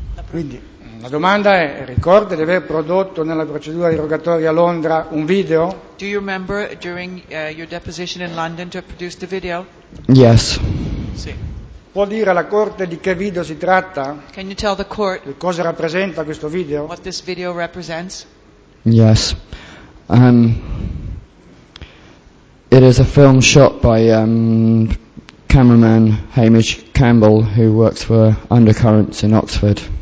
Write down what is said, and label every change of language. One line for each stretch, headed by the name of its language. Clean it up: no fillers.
Italian: Quindi la domanda è: ricorda di aver prodotto nella procedura di rogatoria a Londra un video?
English: Do you remember during your deposition in London to have produced the video? Yes.
Italian: Sì. Può dire alla corte di che video si tratta?
English: Can you tell the court?
Italian: Che cosa rappresenta questo video?
English: What this video represents? Yes. It is a film shot by cameraman Hamish Campbell, who works for Undercurrents in Oxford.